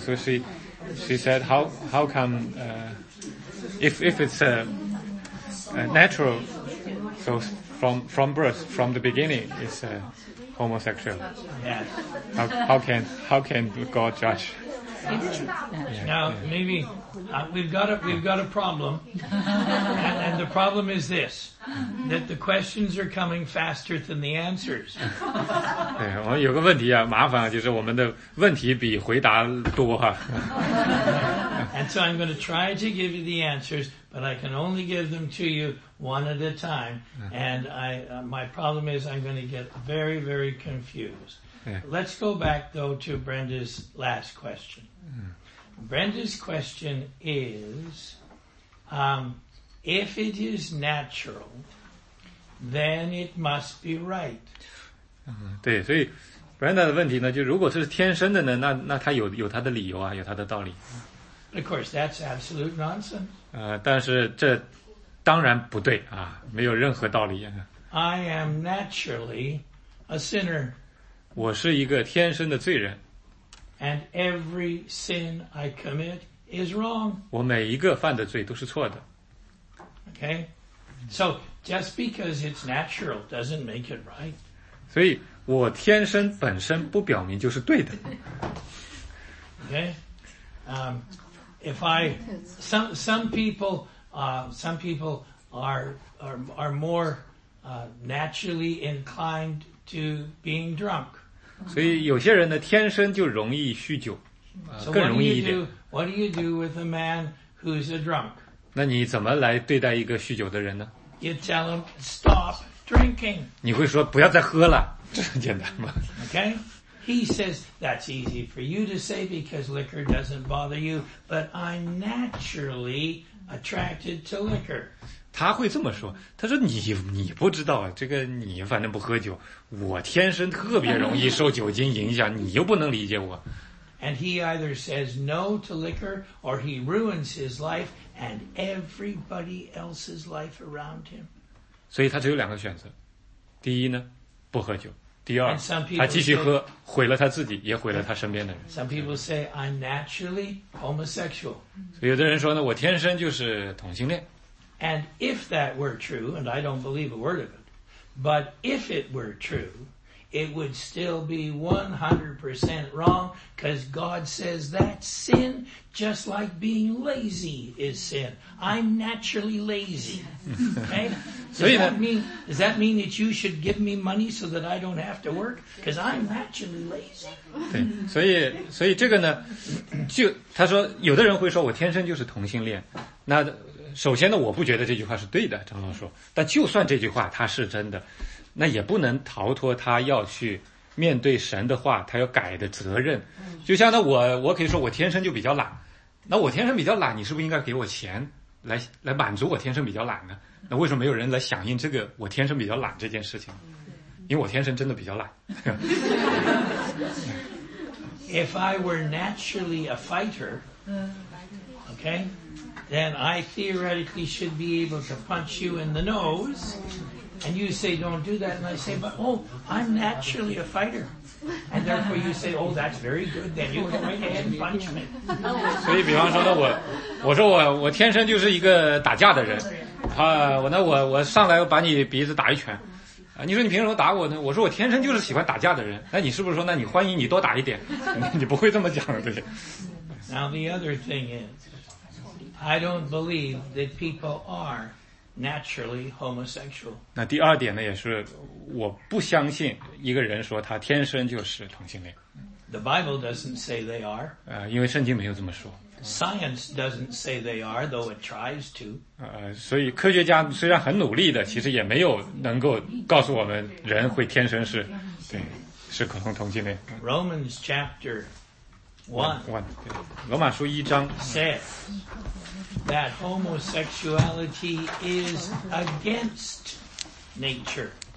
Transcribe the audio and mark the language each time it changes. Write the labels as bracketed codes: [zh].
[en] So she said, how come, if it's natural, so from birth, from the beginning, it's homosexual. Yes. How can God judge? Now, maybe, we've got a problem. And the problem is this, that the questions are coming faster than the answers. [zh] 对，我们有个问题啊，麻烦啊，就是我们的问题比回答多啊。 [en] And so I'm going to try to give you the answers, but I can only give them to you one at a time. And I, my problem is I'm going to get very, very confused. Let's go back, though, to Brenda's last question. Brenda's question is, if it is natural, then it must be right. [zh] 对，所以 Brenda 的问题呢，就如果是天生的呢，那他有他的理由啊，有他的道理。 [en] Of course, that's absolute nonsense. [zh] 但是这当然不对啊，没有任何道理。 [en] I am naturally a sinner. [zh] 我是一个天生的罪人。 [en] And every sin I commit is wrong. [zh] 我每一个犯的罪都是错的。 [en] Okay? So, Just because it's natural doesn't make it right. [zh] 所以我天生本身不表明就是对的。 [en] Okay? If I, some people are more naturally inclined to being drunk. [zh] 所以有些人呢天生就容易酗酒。更容易一点。 [en] What do you do with a man who's a drunk? [zh] 那你怎么来对待一个酗酒的人呢？ [en] You tell him, stop drinking. [zh] 你会说不要再喝了，这很简单吗 [en] ？Okay, he says that's easy for you to say because liquor doesn't bother you, but I'm naturally attracted to liquor. [zh] 他会这么说，他说你不知道这个，你反正不喝酒，我天生特别容易受酒精影响，你又不能理解我。 [en] And he either says no to liquor or he ruins his life and everybody else's life around him. [zh] 所以他只有两个选择。第一呢不喝酒。第二 [en] and some people [zh] 他继续喝毁了他自己也毁了他身边的人。 [en] Some people say I'm naturally homosexual. [zh] 所以有的人说呢我天生就是同性恋。 [en] And if that were true, and I don't believe a word of it, but if it were true,It would still be 100% wrong because God says that's sin just like being lazy is sin. I'm naturally lazy. Okay? Does that mean that you should give me money so that I don't have to work? Because I'm naturally lazy. [zh] 对所以这个呢就他说有的人会说我天生就是同性恋。那首先呢我不觉得这句话是对的张老说。但就算这句话它是真的。那也不能逃脱他要去面对神的话他要改的责任就像那我可以说我天生就比较懒那我天生比较懒你是不是应该给我钱来满足我天生比较懒呢那为什么没有人来响应这个我天生比较懒这件事情因为我天生真的比较懒 [en] If I were naturally a fighter okay, then I theoretically should be able to punch you in the noseAnd you say, don't do that. And I say, but, oh, I'm naturally a fighter. And therefore you say, oh, that's very good. Then you go right ahead and punch me. [zh] 所以比方说呢我说我天生就是一个打架的人。我上来把你鼻子打一拳。你说你凭什么打我呢我说我天生就是喜欢打架的人。那你是不是说那你欢迎你多打一点你不会这么讲的对。 [en] Now the other thing is, I don't believe that people are,Naturally homosexual. [zh] 那第二点呢也是我不相信一个人说他天生就是同性恋。 [en] The Bible doesn't say they are. [zh] 因为圣经没有这么说。 [en] Science doesn't say they are, though it tries to. [zh] 所以科学家虽然很努力的其实也没有能够告诉我们人会天生是对是可能同性恋。 [en] Romans chapter [zh] 1. 罗马书一章。 [en] Says,That homosexuality is against nature.